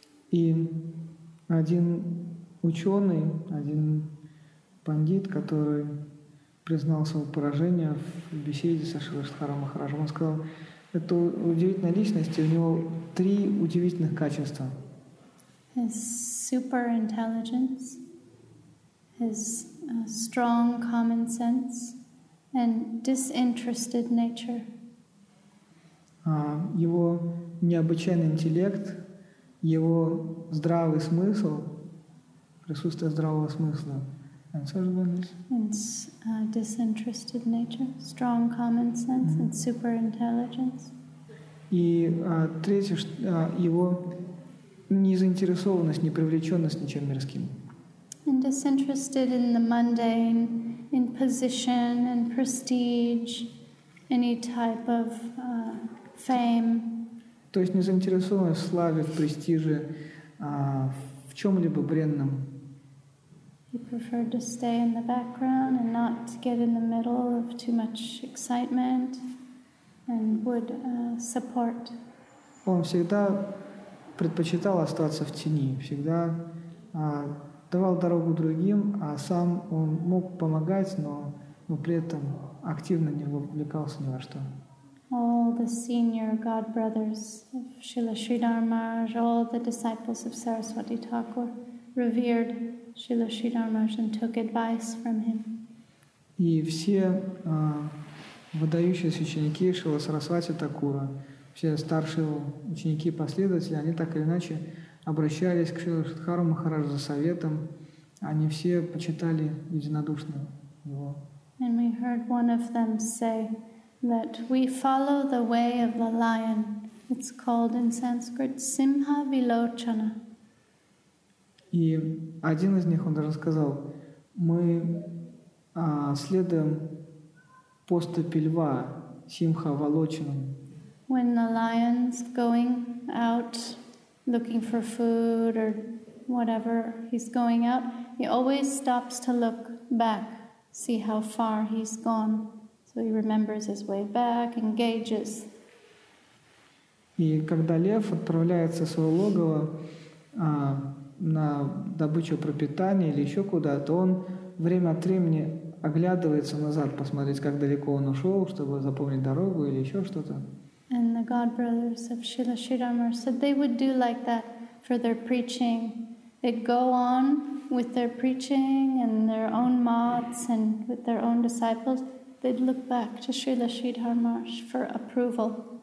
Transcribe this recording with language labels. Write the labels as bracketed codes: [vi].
[ru] И один ученый, один пандит, который признал свое поражение в беседе со Шрилой Шридхаром Махараджем. Он сказал, это удивительная личность, и у него три удивительных качества. [en] His super intelligence, his strong common sense, and disinterested nature. [ru] Его необычайный интеллект, его здравый смысл, присутствие здравого смысла. [en] And disinterested nature, strong common sense, mm-hmm. and super intelligence. [ru] И третье, его незаинтересованность, непривлеченность ничем мирским. [en] And disinterested in the mundane, in position and prestige, any type of fame. [ru] То есть незаинтересованность в славе, в престиже, в чем-либо бренном. [en] He preferred to stay in the background and not get in the middle of too much excitement, and would support. [ru] Он всегда предпочитал остаться в тени, всегда давал дорогу другим, а сам он мог помогать, но при этом активно не вовлекался ни во что. [en] All the senior god brothers of Srila Sridhar Maharaj, all the disciples of Saraswati Thakur revered Srila Sridhar Maharaj and took advice from him. [ru] И все выдающиеся ученики Шрилы Сарасвати Такура, все старшие ученики и последователи, они так или иначе обращались к Шриле Шридхару Махараджу за советом. Они все почитали единодушно его. [en] And we heard one of them say that we follow the way of the lion. It's called in Sanskrit Simha Vilochana. [ru] И один из них, он даже сказал, мы следуем поступи льва, Симха Волочина. [en] When the lion's going out looking for food or whatever he's going out, he always stops to look back, see how far he's gone. So he remembers his way back, engages. [ru] И когда лев отправляется в свое логово, на добычу пропитания или еще куда-то, он время от времени оглядывается назад, посмотреть, как далеко он ушел, чтобы запомнить дорогу или еще что-то. [en] And the god brothers of Srila Sridhar Maharaj said they would do like that for their preaching. They'd go on with their preaching and their own mots and with their own disciples. They'd look back to Srila Sridhar Maharaj for approval.